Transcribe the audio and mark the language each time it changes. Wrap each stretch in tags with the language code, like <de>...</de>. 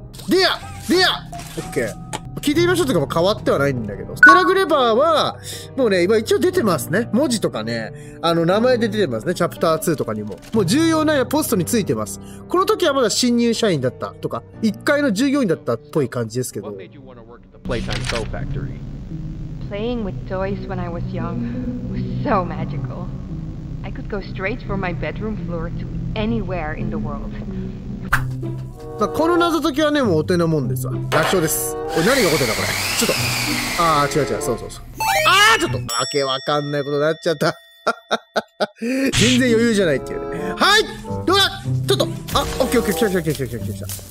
<ja>でやでや、オッケー、聞いてみましょうとかも変わってはないんだけど、ステラグレバーはもうね、今一応出てますね、文字とかね、あの名前で出てますね、チャプター2とかにも。もう重要なポストについてます。この時はまだ新入社員だったとか1階の従業員だったっぽい感じですけど。</ja> <en>Playtime Bow Factory. Playing with toys when I was young was so magical. I could go straight from my bedroom floor to anywhere in the world.</en> <ja>まあこの謎解きはね、もうお手のもんですわ。楽勝です。これ何が起こってんだこれ。ちょっと。ああ、違う違う。そうそうそう。ああ、ちょっと。わけわかんないことになっちゃった。全然余裕じゃないっていうね。はい、どうだ、ちょっと。あ、オッケーオッケー。来た来た来た来た来た。</ja>